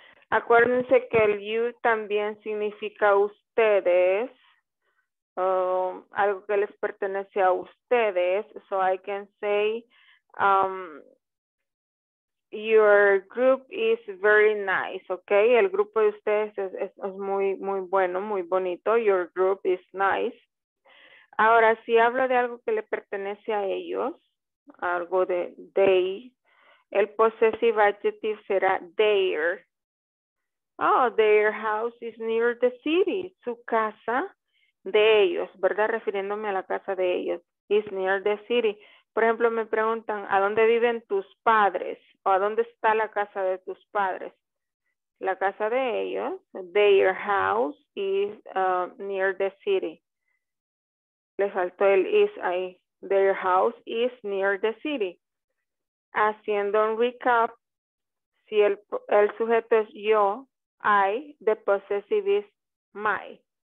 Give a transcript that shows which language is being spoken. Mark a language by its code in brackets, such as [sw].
[es] Acuérdense que el you también significa ustedes. Algo que les pertenece a ustedes. [en] So I can say, your group is very nice, okay? [es] El grupo de ustedes es muy, muy bueno, muy bonito. [en] Your group is nice. [es] Ahora, si hablo de algo que le pertenece a ellos, algo de they, el possessive adjective será their. [en] Oh, their house is near the city. [es] Su casa de ellos, ¿verdad? Refiriéndome a la casa de ellos. [en] Is near the city. [es] Por ejemplo, me preguntan, ¿a dónde viven tus padres? ¿O a dónde está la casa de tus padres? La casa de ellos, [en] their house is near the city. [es] Le faltó el is ahí. [en] Their house is near the city. [es] Haciendo un recap, si el sujeto es yo, I, [en] the possessive is my.